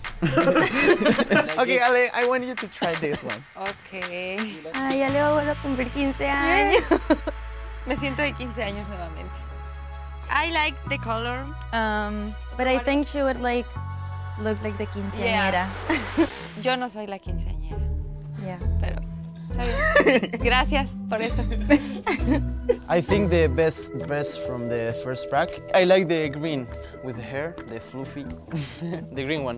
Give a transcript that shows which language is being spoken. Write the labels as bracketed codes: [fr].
[en] Okay, Ale, I want you to try this one. Okay. [es] Ay, Ale va a volver a cumplir 15 años. Me siento de 15 años nuevamente. [en] I like the color. But I think she would like look like the quinceañera. [es] Yeah. Yo no soy la quinceañera. [en] Yeah. [es] Pero está bien. Gracias por eso. [en] I think the best dress from the first track. I like the green with the hair, the fluffy. The green one.